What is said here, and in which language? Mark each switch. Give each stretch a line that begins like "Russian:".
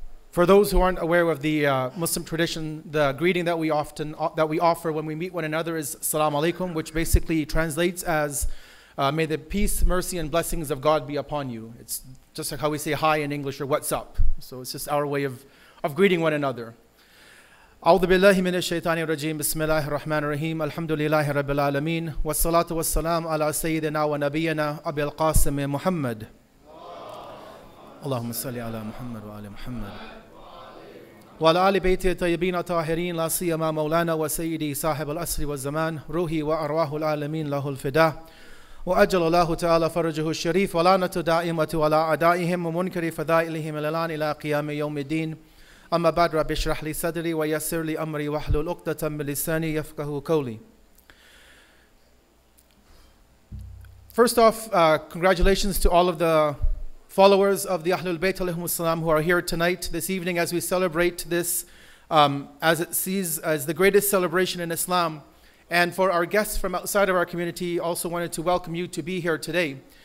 English: For those who aren't aware of the Muslim tradition, the greeting that we offer when we meet one another is
Arabic: Salaam alaikum,
English: which basically translates as may the peace, mercy, and blessings of God be upon you. It's just like how we say hi in English or what's up. So it's just our way of greeting one another.
Arabic: أعوذ بالله من الشيطان الرجيم بسم الله الرحمن الرحيم الحمد لله رب العالمين والصلاة والسلام على سيدنا ونبينا أبي القاسم محمد اللهم صل على محمد وعلى محمد وعلى آل بيته الطيبين الطاهرين لا سيما مولانا وسيدي صاحب الأسر والزمان روحي وأرواح العالمين له الفداء وأجل الله تعالى فرجه الشريف ولعنة دائمة على أعدائهم ومنكر فضائلهم الإعلان إلى قيام يوم الدين أما بعد رب اشرح لي صدري ويسر لي أمري واحلل عقدة من لساني يفقهوا قولي.
English: First off, congratulations to all of the followers of the Ahlul Bayt
Arabic: alayhum assalam
English: who are here tonight, this evening, as we celebrate this, as it sees as the greatest celebration in Islam. And for our guests from outside of our community, also wanted to welcome you to be here today.